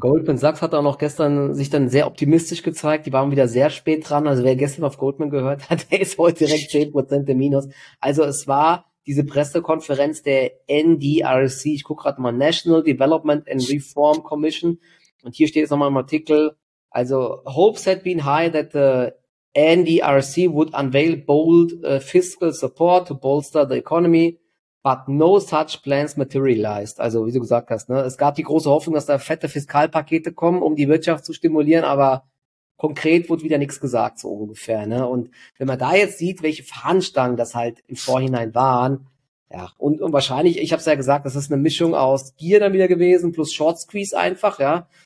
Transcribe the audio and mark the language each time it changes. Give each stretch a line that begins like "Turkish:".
German: Goldman Sachs hat auch noch gestern sich dann sehr optimistisch gezeigt. Die waren wieder sehr spät dran. Also wer gestern auf Goldman gehört hat, der ist heute direkt 10% im Minus. Also es war diese Pressekonferenz der NDRC. Ich gucke gerade mal, National Development and Reform Commission. Und hier steht jetzt nochmal im Artikel.
English: Also hopes had been high that the NDRC would unveil bold fiscal support to bolster the economy. But no such plans materialized.
German: Also, wie du gesagt hast, ne? Es gab die große Hoffnung, dass da fette Fiskalpakete kommen, um die Wirtschaft zu stimulieren, aber konkret wurde wieder nichts gesagt, so ungefähr, ne? Und wenn man da jetzt sieht, welche Fahnenstangen das halt im Vorhinein waren, ja, und wahrscheinlich, ich habe es ja gesagt, das ist eine Mischung aus Gier dann wieder gewesen, plus Short Squeeze einfach, ja.